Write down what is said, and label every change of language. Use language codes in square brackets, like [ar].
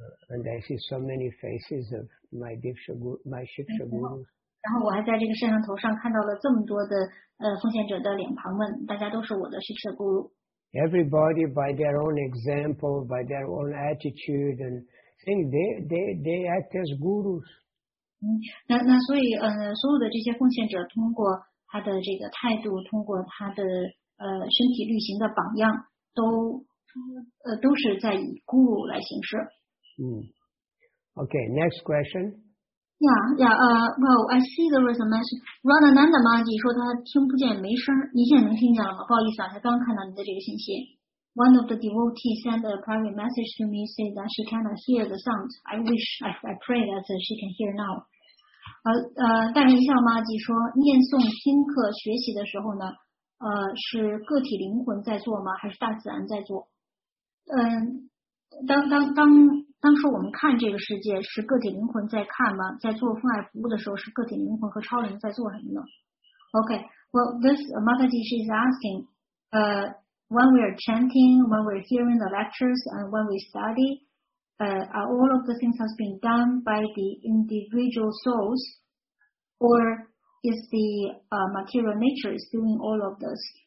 [en] And I see so many faces of my Diksha guru, my Shiksha guru. [zh] 然后我还在这个摄像头上看到了这么多的奉献者的脸庞们，大家都是我的 Shiksha guru. [en] Everybody by their own example, by their own attitude, and think they act as gurus. [zh] 那所以所有的这些奉献者通过他的这个态度，通过他的身体力行的榜样，都是在以咕噜来行事。 [en] Okay, next question. Well, I see there was a message. [zh] Ranananda Maji 说他听不见没声，你现在能听见了吗？不好意思啊，才刚看到你的这个信息。 [en] One of the devotees sent a private message to me, say that she cannot hear the sound. I pray that she can hear now. [zh] 大人像妈吉说，念诵、听课、学习的时候呢，是个体灵魂在做吗？还是大自然在做？当说我们看这个世界是个体灵魂在看吗？在做奉爱服务的时候，是个体灵魂和超灵在做什么呢 [en] ？Okay, well, this Mataji is asking, when we are chanting, when we are hearing the lectures, and when we study, are all of the things has been done by the individual souls, or is the material nature is doing all of this?